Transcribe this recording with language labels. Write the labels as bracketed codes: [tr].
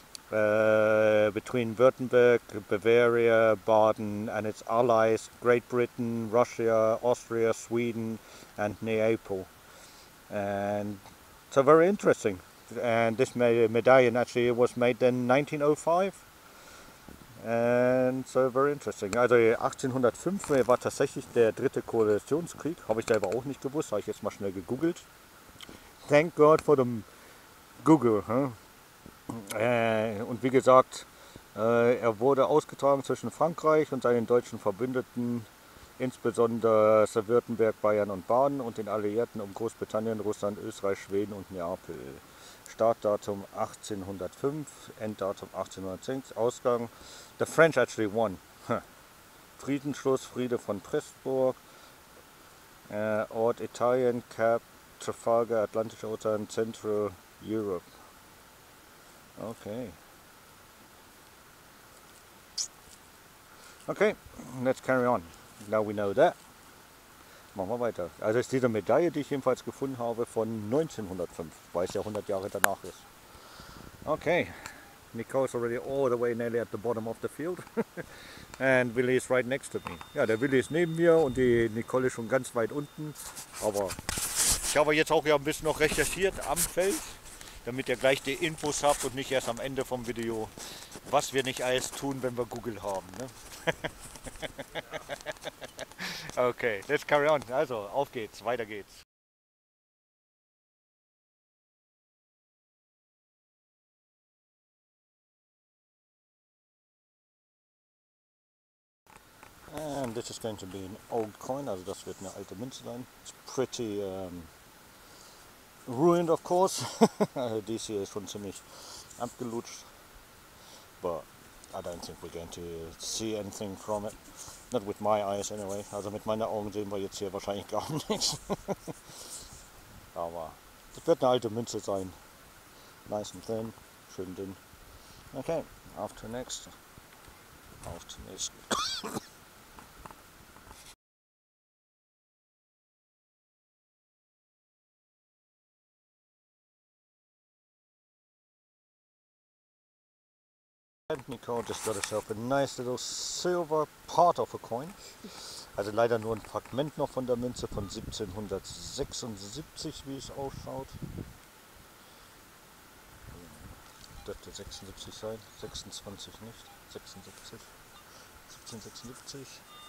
[en] Between Württemberg, Bavaria, Baden and its allies, Great Britain, Russia, Austria, Sweden and Neapel. And so very interesting. And this medallion actually was made in 1905. And so very interesting. [de] Also 1805 war tatsächlich der dritte Koalitionskrieg. Habe ich selber auch nicht gewusst, habe ich jetzt mal schnell gegoogelt. [en] Thank God for the Google, huh? [de] Und wie gesagt, er wurde ausgetragen zwischen Frankreich und seinen deutschen Verbündeten, insbesondere Württemberg, Bayern und Baden und den Alliierten um Großbritannien, Russland, Österreich, Schweden und Neapel. Startdatum 1805, Enddatum 1810, Ausgang. [en] The French actually won. [de] Friedensschluss, Friede von Pressburg, Ort Italien, Cap, Trafalgar, Atlantische Ozean, Central Europe. [en] Okay. Okay, let's carry on. Now we know that. [de] Machen wir weiter. Also ist diese Medaille, die ich jedenfalls gefunden habe, von 1905, weil es ja 100 Jahre danach ist. [en] Okay. Nicole's already all the way nearly at the bottom of the field. And Willy is right next to me. [de] Ja, der Willy ist neben mir und die Nicole ist schon ganz weit unten. Aber ich habe jetzt auch ja ein bisschen noch recherchiert am Feld, damit ihr gleich die Infos habt und nicht erst am Ende vom Video, was wir nicht alles tun, wenn wir Google haben. Ne? [en] Okay, let's carry on. [de] Also, auf geht's, weiter geht's. [en] And this is going to be an old coin, [de] also das wird eine alte Münze sein. [en] It's pretty... ruined, of course. This year is [de] schon ziemlich abgelutscht, [en] but I don't think we're going to see anything from it. Not with my eyes, anyway. [de] Also mit meinen Augen sehen wir jetzt hier wahrscheinlich gar nichts. Aber das wird eine alte Münze sein. [en] Nice and thin, [de] schön dünn. Okay, auf zur nächsten. Auf zur nächsten. [en] And Nicole just got herself a nice little silver part of a coin. [de] Also leider nur ein Fragment noch von der Münze von 1776, wie es ausschaut. Dürfte 76 sein, 26 nicht, 76, 1776.